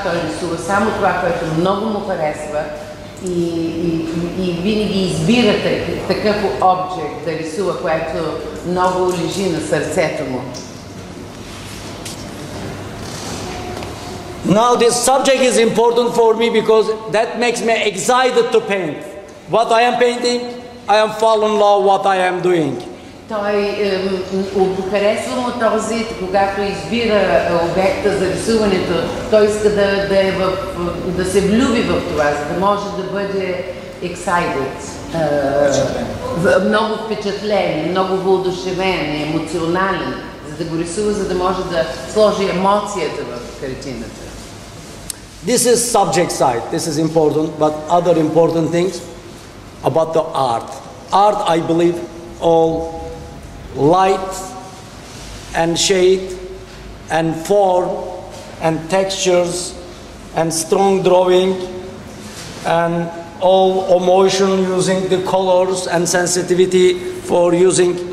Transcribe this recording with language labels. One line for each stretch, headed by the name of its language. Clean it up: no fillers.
Bulgarian: Той рисува само това, което много му харесва. И винаги избира такъв обект да рисува, което много лежи на сърцето му.
English: Now this subject is important for me because that makes me excited to paint. What I am painting, I am falling in love what I am doing.
Bulgarian: Той харесва му този, когато избира обекта за рисуването, той иска да се влюби в това, за да може да бъде excited. Много впечатлен, много въодушевен, емоционален, за да го рисува, за да може да сложи емоцията в картината.
English: This is subject side, this is important, but other important things about the art. Art, I believe, all light and shade and form and textures and strong drawing and all emotion using the colors and sensitivity for using